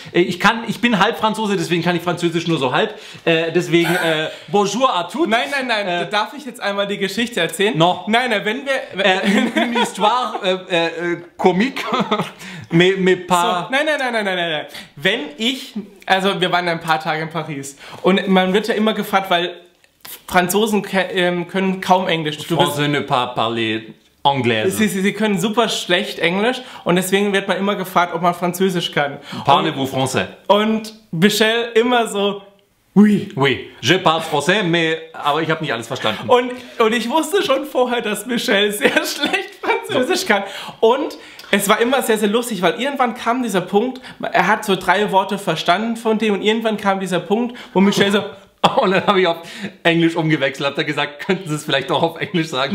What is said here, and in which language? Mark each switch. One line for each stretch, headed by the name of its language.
German: Ich bin halb Franzose, deswegen kann ich Französisch nur so halb. Deswegen,
French: bonjour à tous.
German: Nein, darf ich jetzt einmal die Geschichte erzählen? Noch. Nein, wenn wir...
French: Une histoire comique, mais pas...
German: So, nein. Wenn ich... Also, wir waren ein paar Tage in Paris. Und man wird ja immer gefragt, weil Franzosen können kaum Englisch.
French: Français ne pas parler anglais.
German: Sie können super schlecht Englisch. Und deswegen wird man immer gefragt, ob man Französisch kann.
French: Parlez-vous français?
German: Und Michel immer so...
French: Oui, je parle français, mais...
German: Aber ich habe nicht alles verstanden. Und ich wusste schon vorher, dass Michel sehr schlecht Französisch kann. Und... Es war immer sehr, sehr lustig, weil irgendwann kam dieser Punkt, er hat so 3 Worte verstanden von dem und irgendwann kam dieser Punkt, wo Michel so... Und dann habe ich auf Englisch umgewechselt, habe da gesagt, könnten Sie es vielleicht auch auf Englisch sagen?